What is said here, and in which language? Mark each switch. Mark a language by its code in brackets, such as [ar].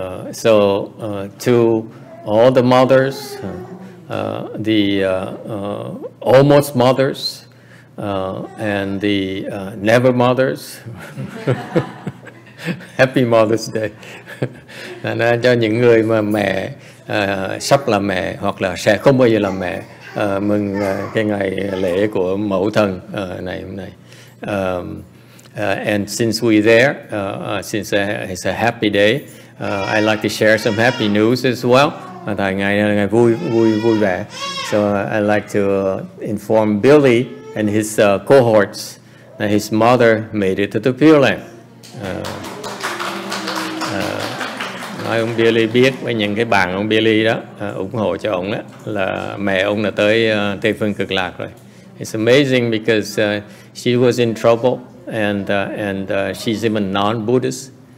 [en] So to all the mothers, the almost mothers, and the never mothers, Happy Mother's Day. [vi] Nó cho những người mà mẹ sắp làm mẹ hoặc là sẽ không bao giờ làm mẹ mừng cái ngày lễ của mẫu thân này hôm nay. [en] And since we're there, since it's a happy day, I'd like to share some happy news as well. [vi] Tại ngày này là ngày vui vẻ. [en] So I'd like to inform Billy and his cohorts that his mother made it to the Pure Land. [vi] Nói ông Billy biết với những cái bạn ông Billy đó ủng hộ cho ông đó là mẹ ông là tới Tây Phương Cực Lạc rồi. [en] It's amazing because she was in trouble and she's even non-Buddhist.